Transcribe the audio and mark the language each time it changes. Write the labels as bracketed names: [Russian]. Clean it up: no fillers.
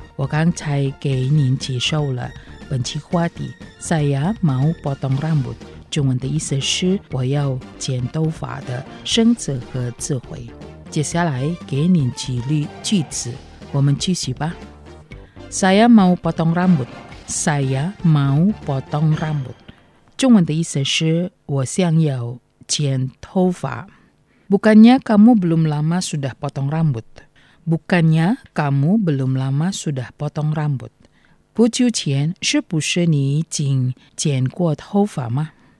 [Chinese] 我刚才给您介绍了本期话题 [Indonesian] Saya mau potong rambut， [Chinese] 中文的意思是我要剪头发的生词和智慧。接下来给您几例句子，我们继续吧。 [Indonesian] Saya mau potong rambut， Saya mau potong rambut， [Chinese] 中文的意思是我想要剪头发。 [Indonesian] Bukannya kamu belum lama sudah potong rambut. Bukannya kamu belum lama sudah potong rambut. [Chinese] 不久前是不是你已经剪过头发吗?